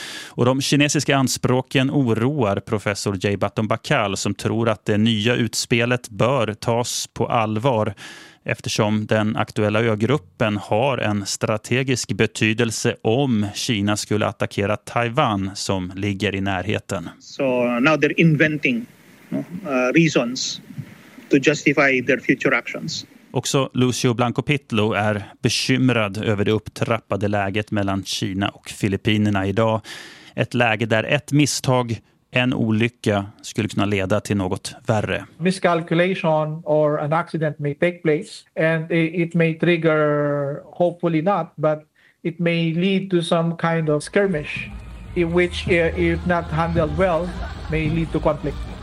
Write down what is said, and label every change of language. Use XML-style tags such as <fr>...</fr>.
<sv>Och de kinesiska anspråken oroar professor Jay Batton-Bakal, som tror att det nya utspelet bör tas på allvar eftersom den aktuella ögruppen har en strategisk betydelse om Kina skulle attackera Taiwan som ligger i närheten.</sv> <en>So now they're inventing reasons to justify their future actions.</en> <sv>Också Lucio Blanco Pitlo är bekymrad över det upptrappade läget mellan Kina och Filippinerna idag. Ett läge där ett misstag, en olycka, skulle kunna leda till något värre.</sv> <en>Miscalculation or an accident may take place and it may trigger, hopefully not, but it may lead to some kind of skirmish in which if not handled well may lead to conflict.</en>